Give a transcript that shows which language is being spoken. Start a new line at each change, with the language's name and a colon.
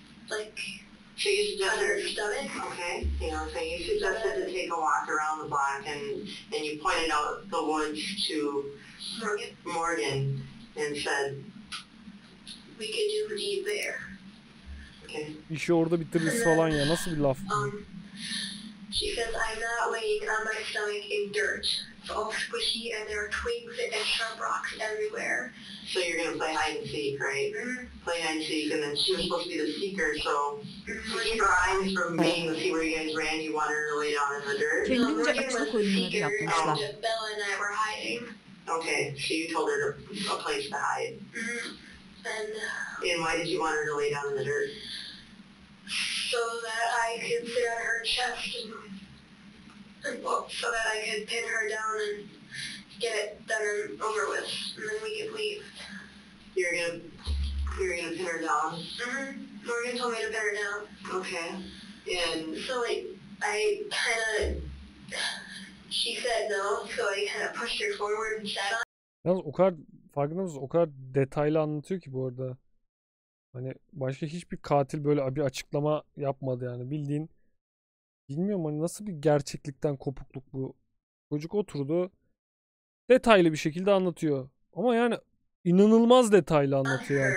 English: Like, so you suggested, on her stomach. Okay, you know, so you suggested to take a walk around the block, and you pointed out the woods to Morgan and said, we could do the deed there. Okay.
Turkish: İşi orada bitiririz falan ya, nasıl bir laf?
English: She says, I'm not laying on my stomach in dirt. It's all squishy and there are twigs and sharp rocks everywhere. So you're gonna play hide and seek, right? Mm-hmm. Play hide and seek, and then she was supposed to be the seeker, so keep your eyes from being to see where you guys ran, you wanted to lay down in the dirt. Can you just look with me? Bella and I were hiding. Okay, so you told her a place to hide. Mm-hmm. And why did you want her to lay down in the dirt? So that I could sit on her chest and well, so that I could pin her down and get it done and over with, and then we could leave. You're gonna pin her down? Mm-hmm. Morgan told me to pin her down. Okay. And so, like, I kinda She said no, so I kind of pushed her forward and sat on.
Turkish: Yalnız o kadar farkında mısınız? O kadar detaylı anlatıyor ki bu arada. Hani başka hiçbir katil böyle bir açıklama yapmadı yani. Bildiğin bilmiyorum hani nasıl bir gerçeklikten kopukluk bu. Çocuk oturdu. Detaylı bir şekilde anlatıyor. Ama yani inanılmaz detaylı anlatıyor yani.